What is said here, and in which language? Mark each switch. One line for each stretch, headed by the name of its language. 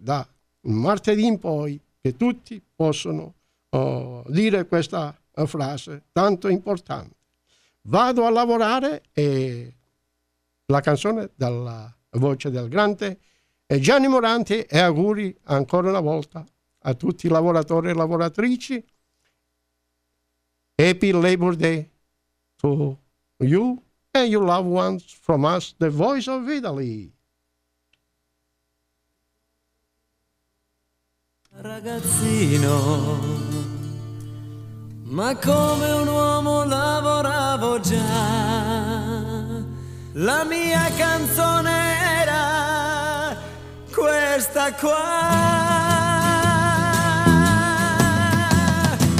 Italian: Da martedì in poi che tutti possono dire questa frase tanto importante: vado a lavorare. E la canzone dalla voce del grande Gianni Morandi, e auguri ancora una volta a tutti i lavoratori e lavoratrici.
English: Happy Labor Day to you and your loved ones from us, the Voice of Italy.
Italian: Ragazzino, ma come un uomo lavoravo già, la mia canzone era questa qua.